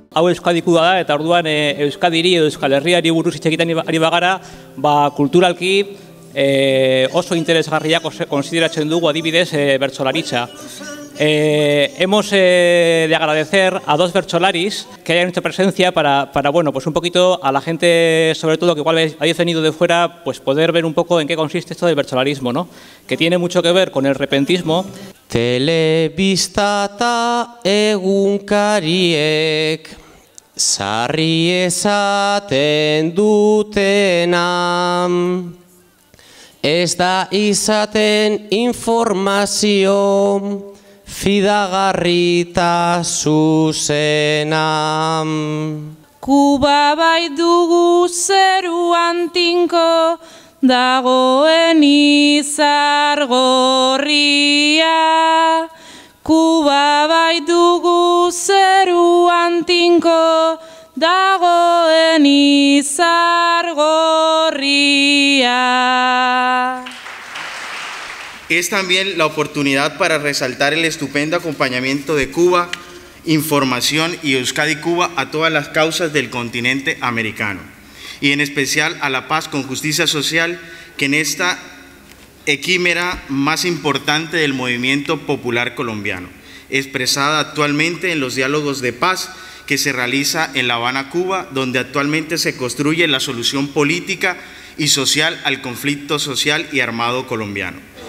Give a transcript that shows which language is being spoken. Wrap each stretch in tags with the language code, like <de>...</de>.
<eu>Hau Euskadi-Kuba da, eta orduan Euskadiri edo Euskal Herriari buruz hitz egiten ari bagara, ba kulturalki oso interesgarria konsideratzen dugu, adibidez, bertsolaritza.</eu> <es>Hemos de agradecer a dos bertsolaris que hayan hecho presencia para bueno, pues un poquito a la gente, sobre todo, que igual habéis venido de fuera, pues poder ver un poco en qué consiste esto del bertsolarismo, ¿no? Que tiene mucho que ver con el repentismo.</es> <eu>Telebista ta egunkariek sarri esaten dutenan ez da izaten informazio fidagarrita zuzena. Kuba bai dugu zeruan tinko, dagoen izar gorria. Kuba bai dugu zeruan tinko, dagoen izar gorria.</eu> <es>Es también la oportunidad para resaltar el estupendo acompañamiento de Cuba Información y Euskadi-Kuba a todas las causas del continente americano y en especial a la paz con justicia social, que en esta equímera más importante del movimiento popular colombiano, expresada actualmente en los diálogos de paz que se realiza en La Habana, Cuba, donde actualmente se construye la solución política y social al conflicto social y armado colombiano.</es>